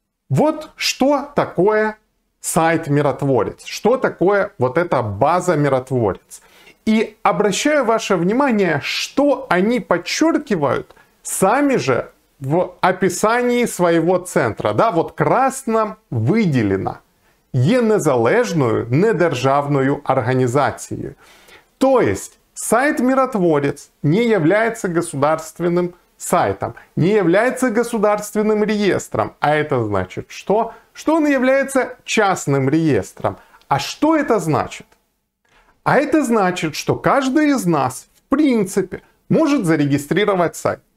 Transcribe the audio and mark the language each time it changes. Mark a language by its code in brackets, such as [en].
[ru] Вот что такое сайт «Миротворец», что такое вот эта база «Миротворец». И обращаю ваше внимание, что они подчеркивают сами же в описании своего центра. Да, вот красным выделено. [uk] Є незалежною, недержавною організацією. [ru] То есть сайт «Миротворец» не является государственным сайтом, не является государственным реестром. А это значит что? Что он является частным реестром. А что это значит? А это значит, что каждый из нас, в принципе, может зарегистрировать сайт.